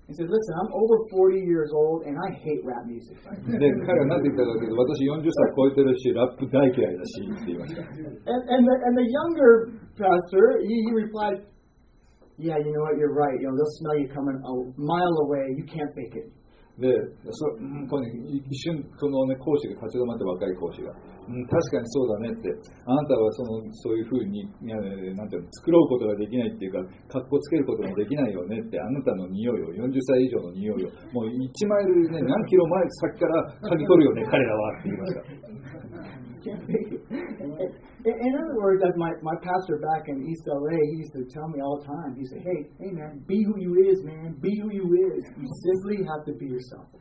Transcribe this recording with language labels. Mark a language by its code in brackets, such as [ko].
[en] He said, listen, I'm over 40 years old and I hate rap music. [ja] で、彼は何て言ったかというと、私40歳超えてるし、ラップ大嫌いだしって言いました。 [en] And the younger pastor, he replied,Yeah, you know what? You're right. You know, they'll smell you coming a mile away. You can't fake it. [ja] で、この一瞬このね講師が立ち止まって若い講師が、確かにそうだねって。あなたはそういうふうにいや、ね、なんていうの作ろうことができないっていうか、格好つけることもできないよねって。あなたの匂いを40歳以上の匂いをもう1マイルね何キロ前先から嗅ぎ取るよね彼らはって言いました。 [en] In other words, that my pastor back in East LA, he used to tell me all the time. He said, "Hey, man, be who you is, man. Be who you is. You simply have to be yourself."